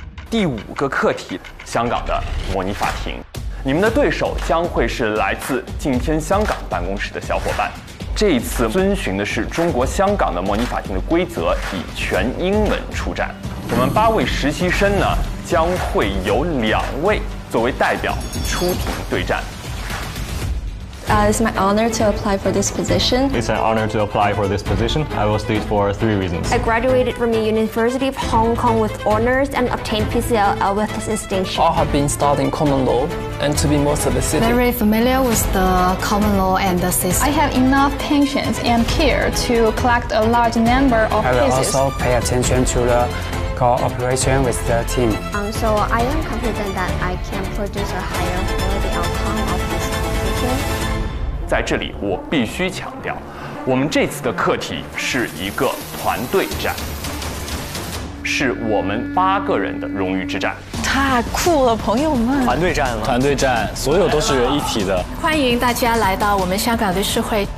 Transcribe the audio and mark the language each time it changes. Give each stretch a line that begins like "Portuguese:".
Chinese: 第五个课题，香港的模拟法庭，你们的对手将会是来自今天香港办公室的小伙伴，这一次遵循的是中国香港的模拟法庭的规则，以全英文出战。我们八位实习生呢，将会有两位作为代表出庭对战。
English: It's my honor to apply for this position. It's an honor to apply for this position. I will state for three reasons. I graduated from the University of Hong Kong with honors and obtained PCLL with distinction. I have been studying common law and to be more specific, very familiar with the common law and the system. I have enough patience and care to collect a large number of cases. I will also pay attention to the cooperation with the team. So I am confident that I can produce a higher quality outcome of this position.
Chinese: 在这里我必须强调，我们这次的课题是一个团队战，是我们八个人的荣誉之战。太酷了，朋友们，团队战了，团队战，所有都是一体的。欢迎大家来到我们香港律师会，